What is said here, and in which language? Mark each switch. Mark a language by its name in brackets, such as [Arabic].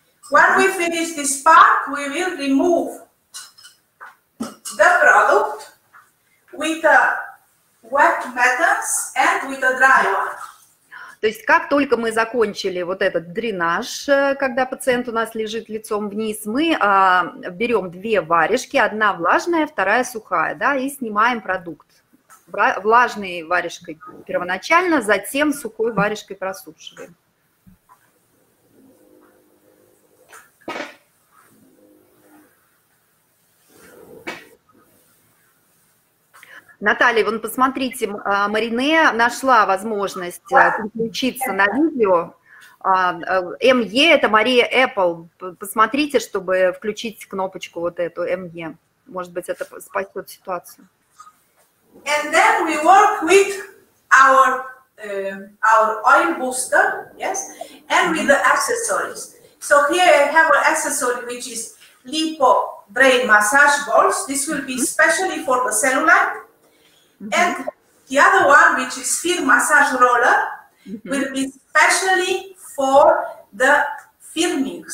[English] When we finish this part, we will remove the product with a wet methods and with a dry one. [Russian] То есть как только мы закончили вот этот дренаж, когда пациент у нас лежит лицом вниз, мы берем две варежки, одна влажная, вторая сухая, да, и снимаем продукт. Влажной варежкой первоначально, затем сухой варежкой просушиваем. Наталья, вон, посмотрите, Марине нашла возможность переключиться на видео. МЕ, это Мария Apple. Посмотрите, чтобы включить кнопочку вот эту, МЕ. Может быть, это спасет ситуацию. [English] And then we work with our oil booster, yes, and with the accessories. So here I have an accessory, which is lipo brain massage balls. This will be specially for the cellulite. And the other one, which is fear massage roller, will be specially for the firming.